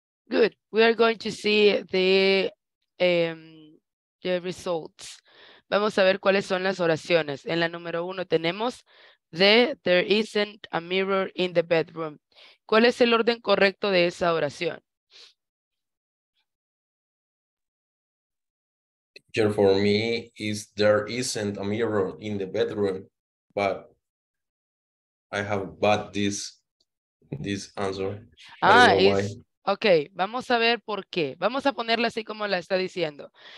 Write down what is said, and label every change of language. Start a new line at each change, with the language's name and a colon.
English: Good. We are going to see the results.
Spanish: Vamos a ver cuáles son las oraciones. En la número uno tenemos
English: there isn't a mirror in the bedroom.
Spanish: ¿Cuál es el orden correcto de esa oración?
English: Here for me is there isn't a mirror in the bedroom, but I have bought this answer.
Spanish: Okay, vamos a ver por qué. Vamos a ponerla así como la está diciendo.